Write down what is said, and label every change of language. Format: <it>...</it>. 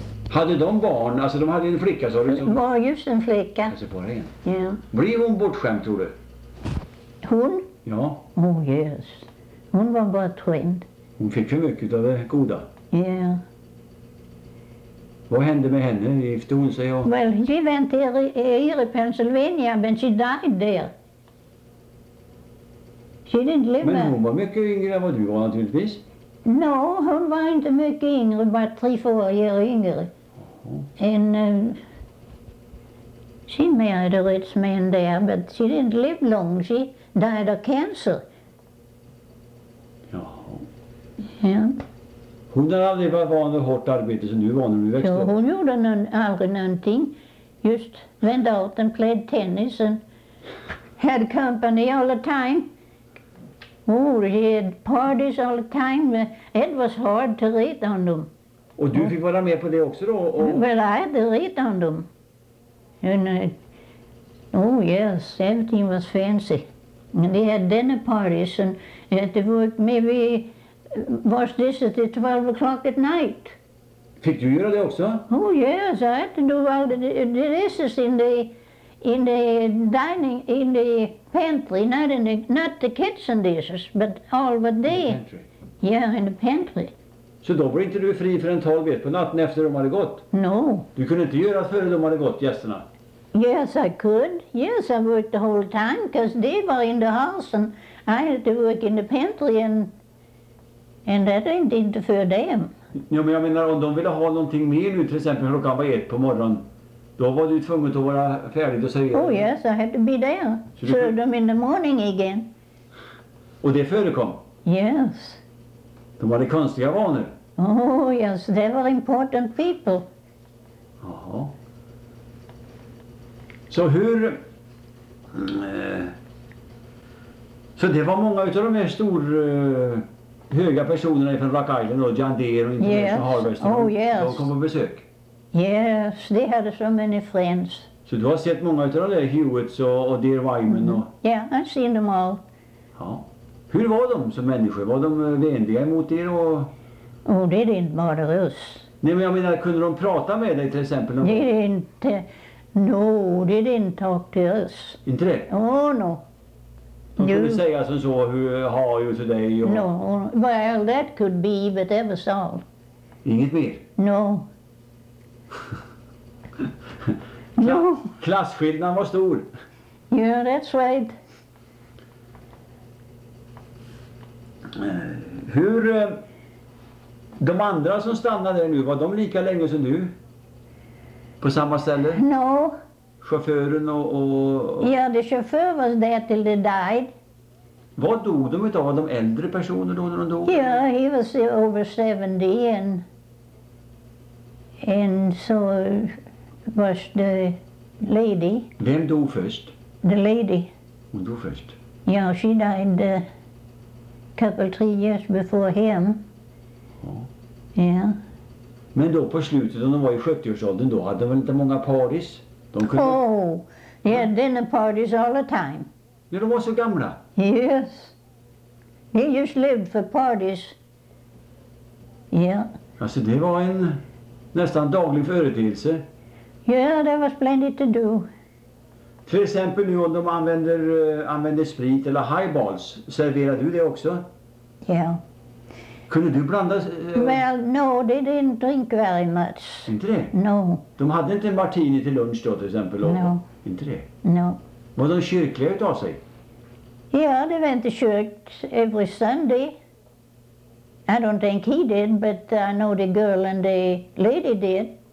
<sv>Hade de barn, alltså de hade en flicka, sa du? Var just en flicka. Alltså bara en? Ja.</sv> <en>Yeah.</en> <sv>Blev hon bortskämd, tror du? Hon? Ja.</sv> <en>Oh yes.</en> <sv>Hon var bara trend. Hon fick för mycket av det goda. Ja.</sv> <en>Yeah.</en> <sv>Vad hände med henne? Gifte hon sig och...</sv> <en>Well, she went here in Pennsylvania, but she died there. She didn't live there.</en> <sv>Men hon var mycket yngre än vad du var, naturligtvis. No, hon var inte mycket yngre, bara 3-4 år yngre.</sv> <en>And she married a rich man there, but she didn't live long. She died of cancer.</en> <sv>Ja.</sv> <en>Yeah.</en> <sv>Hon hade aldrig varit van vid hårt arbete som du var när du växte upp. Hon gjorde aldrig någonting.</sv> <en>Just</en> <sv>vände åt en</sv> <en>played tennis and had company all the time. Oh, he had parties all the time. It was hard to read on them. Och du fick vara med på det också då? Well, I had to read on them. Oh yes, everything was fancy. And they had dinner parties and it would maybe was this at 12 o'clock at night.</en> <sv>Fick du göra det också?</sv> <en>Oh yes, I had to do all the dishes in the dining, in the pantry, not the kitchen dishes, but all but the pantry. Yeah, in the pantry.</en> <sv>Så då var inte du fri för en 12 på natten efter de hade gått?</sv> <en>No.</en> <sv>Du kunde inte göra för de hade gått, gästerna?</sv> <en>Yes, I could. Yes, I worked the whole time, because they were in the house and I had to work in the pantry and that ain't</en> <sv>inte för dem. Ja, men jag menar, om de ville ha någonting mer nu, till exempel klockan var 1 på morgonen, då var du tvungen att vara färdig och servera.</sv> <en>Oh yes, I had to be there. Serve them in the morning again.</en> <sv>Och det förekom?</sv> <en>Yes.</en> <sv>De var det konstiga vanor.</sv> <en>Oh yes, they were important people.</en> <sv>Jaha. Så hur... Så det var många av de här stora... höga personerna från Rock Island och John Deere och International Harvest.</sv> <en>Oh, yes.</en> <sv>De kom på besök.</sv> <en>Yes, they had so many friends.</en> <sv>Så du har sett många av de där Hewitts och Deere Wyman och...</sv> <en>Yeah, I've seen them all.</en> <sv>Ja. Hur var de som människor? Var de vänliga emot er och...</sv> <en>Oh, they didn't bother us.</en> <sv>Nej, men jag menar, kunde de prata med dig till exempel?</sv> <en>De didn't... No, they didn't talk to us.</en> <sv>Inte det?</sv> <en>Oh, no.</en> <sv>De kunde säga som så, hur har du till dig och...</sv> <en>No, well, that could be, but that was all.</en> <sv>Inget mer?</sv> <en>No. No.</en> <sv>Klassskillnaden var stor.</sv> <en>Yeah, that's right.</en> <sv>Hur... De andra som stannade där nu, var de lika länge som du? På samma ställe?</sv> <en>No.</en> <sv>Chauffören och...</sv> <en>Ja, the chauffeur was there till they died.</en> <sv>Vad dog de utav? Var de äldre personer då när de dog?</sv> <en>Ja, yeah, he was over 70 and so was the lady.</en> <sv>Vem dog först?</sv> <en>The lady.</en> <sv>Hon dog först?</sv> <en>Ja, yeah, she died a couple, 3 years before him.</en> <sv>Ja.</sv> <en>Yeah.</en> <sv>Men då på slutet, när de var i 70-årsåldern, då hade de väl inte många parties? De kunde...</sv> <en>Oh, they had dinner parties all the time.</en> <sv>Ja, de var så gamla.</sv> <en>Yes. He just lived for parties. Yeah.</en> <sv>Alltså det var en nästan daglig företeelse.</sv> <en>Yeah, there was plenty to do.</en> <sv>Till exempel nu om de använder sprit eller highballs, serverar du det också?</sv> <en>Yeah.</en> <sv>Kunde du blanda...</sv> <en>Well, no, they didn't drink very much.</en> <sv>Inte det?</sv> <en>No.</en> <sv>De hade inte en martini till lunch då till exempel?</sv> <en>No.</en> <sv>Inte det?</sv> <en>No.</en> <sv>Var de kyrkliga utav sig?</sv> <en>Ja, de went to church every Sunday. I don't think he did, but I know the girl and the lady did.</en>